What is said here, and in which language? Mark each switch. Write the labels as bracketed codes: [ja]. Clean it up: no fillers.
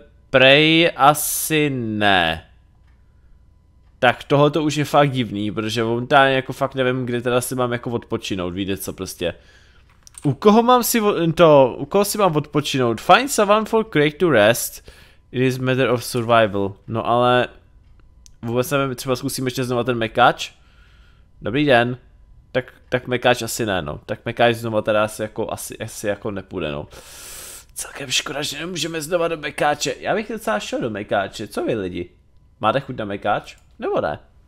[cs] Prej asi ne. Tak tohle to už je fakt divný, protože momentálně jako fakt nevím, kde teda si mám jako odpočinout, víte co prostě. U koho si mám odpočinout? [en] Find someone for Craig to rest. It is matter of survival. [cs] No ale... Vůbec nevím, třeba zkusím ještě znovu ten mekáč. Dobrý den. Tak mekáč asi ne, no. Tak mekáč znovu teda asi jako nepůjde, no. Celkem škoda, že nemůžeme znovu do mekáče. Já bych docela šel do mekáče. Co vy lidi? Máte chuť na mekáč? Nebo ne?